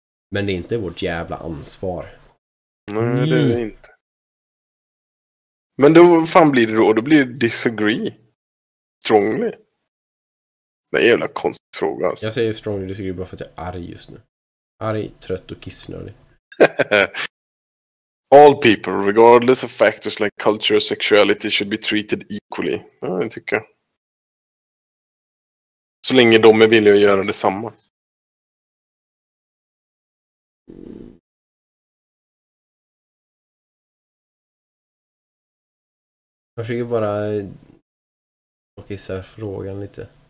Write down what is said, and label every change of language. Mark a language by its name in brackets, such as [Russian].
[Swedish] Men det är inte vårt jävla ansvar. Nej, det är det inte. Men då fan blir det då? Då blir det [English] disagree. Strongly. [Swedish] Det är en jävla konstig fråga alltså. Jag säger [English] strongly disagree [Swedish] bara för att jag är arg just nu. Arg, trött och kissnödig. [English] All people, regardless of factors like culture or sexuality, should be treated equally. [Swedish] Ja, det tycker jag. Så länge de är villiga att göra detsamma. Jag försöker bara och isär frågan lite.